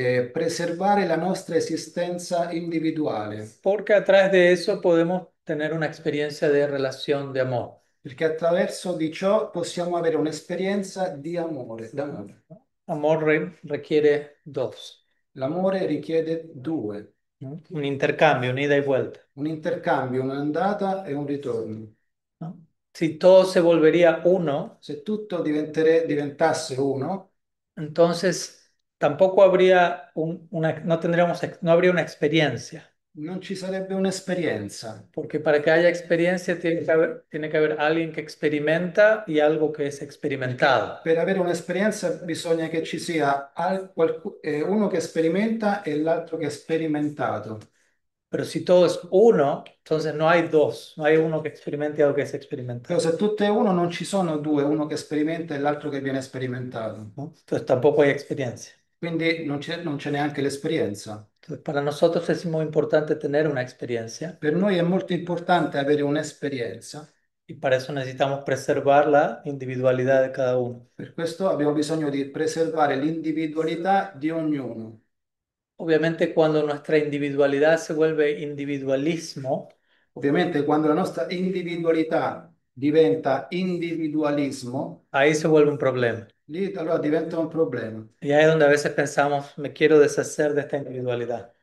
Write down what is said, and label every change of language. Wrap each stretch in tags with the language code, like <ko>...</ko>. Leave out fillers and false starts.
<it>preservare la nostra esistenza individuale.</it> <es>Porque a través de eso podemos tener una experiencia de relación de amor.</es> <it>Perché attraverso di ciò possiamo avere un'esperienza di amore, d'amore.</it> <es>Amor requiere dos.</es> <it>L'amore richiede due.</it> <es>Un intercambio, un'ida y vuelta.</es> <it>Un intercambio, un'andata e un ritorno.</it> <es>Si todo se volvería uno,</es> <it>Se tutto diventasse uno,</it> <es>entonces tampoco habría no tendríamos, no habría una experiencia.</es> <it>non ci sarebbe un'esperienza.</it> <es>Porque para que haya experiencia tiene que haber alguien que experimenta y algo que es experimentado.</es> <it>Per avere un'esperienza bisogna che ci sia uno che sperimenta e l'altro che è sperimentato.</it> <es>Pero si todo es uno, entonces no hay dos, no hay uno</es> <it>che experimenti algo che</it> <es>es</es> <it>Però experimentato. se tutto è uno non ci sono due, uno che sperimenta e l'altro che viene sperimentato.</it> <es>Entonces tampoco hay experiencia.</es> <it>Quindi non c'è neanche l'esperienza.</it> <es>Entonces, para nosotros es muy importante tener una</es> <it>Per experiencia. noi è molto importante avere un'esperienza.</it> <es>Y para eso necesitamos preservar la individualidad de cada uno.</es> <it>Per questo abbiamo bisogno di preservare l'individualità di ognuno. Ovviamente, quando nostra individualità si vuole individualismo, Ovviamente, quando la nostra individualità diventa individualismo,</it> <es>ahí se vuole un problema.</es> <it>lì allora diventa un problema. E</it> <es>Y ahí es donde a veces pensamos, me quiero deshacer de esta individualidad.</es>